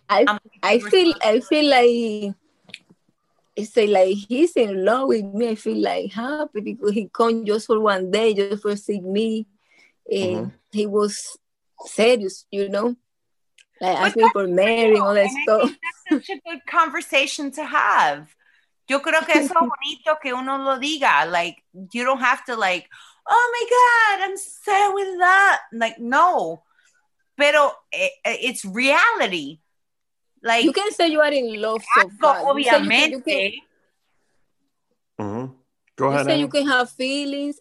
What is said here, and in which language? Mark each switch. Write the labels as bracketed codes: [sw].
[en] I feel like, say like he's in love with me. I feel like happy because he come just for one day, just for seeing me, and he was serious, you know, like but asking for marriage, all that stuff. That's such a good conversation to have. [es] Yo creo que es bonito que uno lo diga. [en] Like you don't have to like, oh my God, I'm so in love. Like no. Pero it's reality. Like you can say you are in love. So [es] obviamente. [en] Go ahead. You say you can have feelings.